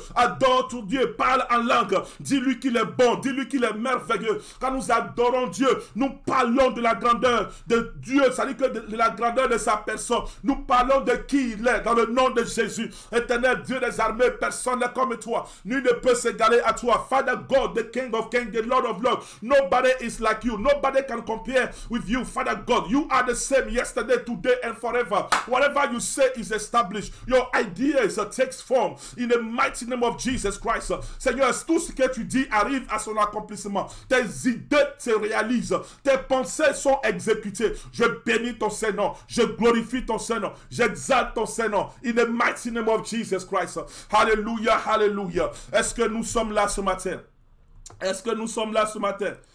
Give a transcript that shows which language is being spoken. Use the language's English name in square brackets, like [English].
[French] Adore ton Dieu. Parle en langue. Dis-lui qu'il est bon. Dis-lui qu'il est merveilleux. Quand nous adorons Dieu, nous parlons de la grandeur de Dieu. Ça veut dire que de la grandeur de sa personne. Nous parlons de qui il est dans le nom de Jésus. Éternel Dieu des armées, personne n'est comme toi. Nul ne peut s'égaler à toi. [English] Father God, the King of Kings, the Lord of Lords. Nobody is like you. Nobody can compare with you. Father God, you are the same yesterday, today and forever. Whatever you say is established. Your ideas takes form in the mighty name of Jesus Christ. [French] Seigneur, tout ce que tu dis arrive à son accomplissement. Tes idées se réalisent. Tes pensées sont exécutées. Je bénis ton Saint-Nom. Je glorifie ton Saint-Nom. J'exalte ton Saint-Nom. [English] In the mighty name of Jesus Christ. Hallelujah, hallelujah. [French] Est-ce que nous sommes là ce matin? Est-ce que nous sommes là ce matin?